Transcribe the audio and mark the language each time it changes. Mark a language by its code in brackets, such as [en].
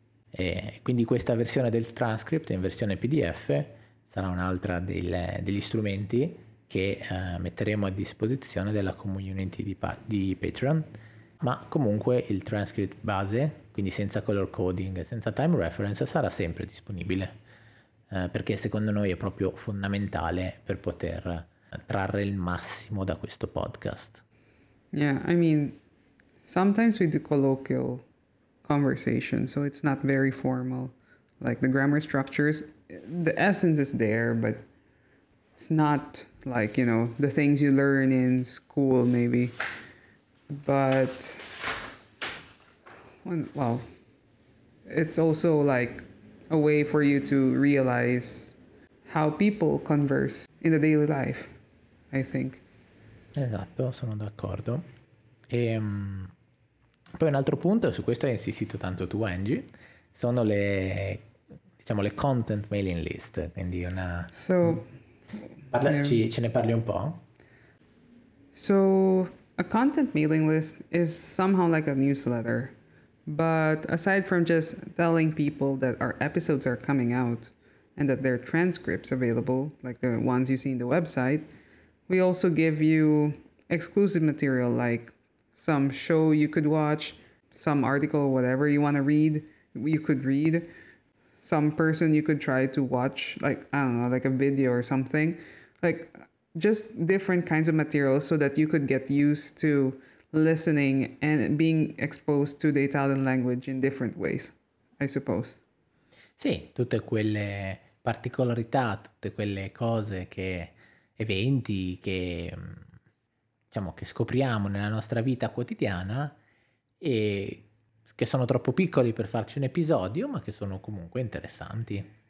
[it] E quindi questa versione del transcript in versione PDF sarà un'altra degli strumenti che metteremo a disposizione della community di Patreon. Ma comunque il transcript base, quindi senza color coding, senza time reference, sarà sempre disponibile, perché secondo noi è proprio fondamentale per poter trarre il massimo da questo podcast. [en] Yeah, I mean, sometimes we do colloquial conversation, so it's not very formal. Like the grammar structures, the essence is there, but it's not like, you know, the things you learn in school maybe. But, well, it's also like a way for you to realize how people converse in the daily life, I think. [it] Esatto, sono d'accordo. E poi un altro punto, su questo hai insistito tanto tu, Angie, sono le, diciamo, le content mailing list, quindi una... [en] So... [it] ce ne parli un po'? [en] So... A content mailing list is somehow like a newsletter, but aside from just telling people that our episodes are coming out and that there are transcripts available, like the ones you see in the website, we also give you exclusive material, like some show you could watch, some article, whatever you want to read, you could read, some person you could try to watch, like, I don't know, like a video or something, like... Just different kinds of materials so that you could get used to listening and being exposed to the Italian language in different ways, I suppose. [it] Sì, tutte quelle particolarità, tutte quelle cose che eventi che diciamo che scopriamo nella nostra vita quotidiana e che sono troppo piccoli per farci un episodio, ma che sono comunque interessanti.